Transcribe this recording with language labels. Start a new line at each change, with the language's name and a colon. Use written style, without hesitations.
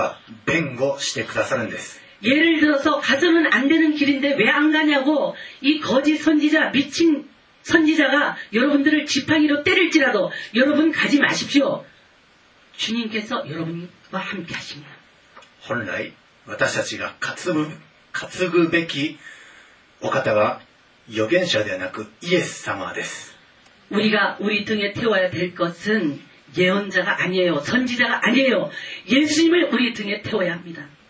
Japanese: 例えば偽預言者に杖で打たれたとしても主が弁護してくださるんです。
Korean: 예를 들어서 가서는 안 되는 길인데 왜 안 가냐고 이 거짓 선지자 미친 선지자가 여러분들을 지팡이로 때릴지라도 여러분 가지 마십시오. 주님께서 여러분과 함께 하십니다.
Japanese: 本来私たちが担ぐべきお方は預言者ではなくイエス様です。
Korean: 우리가 우리 등에 태워야 될 것은 예언자가 아니에요. 선지자가 아니에요. 예수님을 우리 등에 태워야 합니다.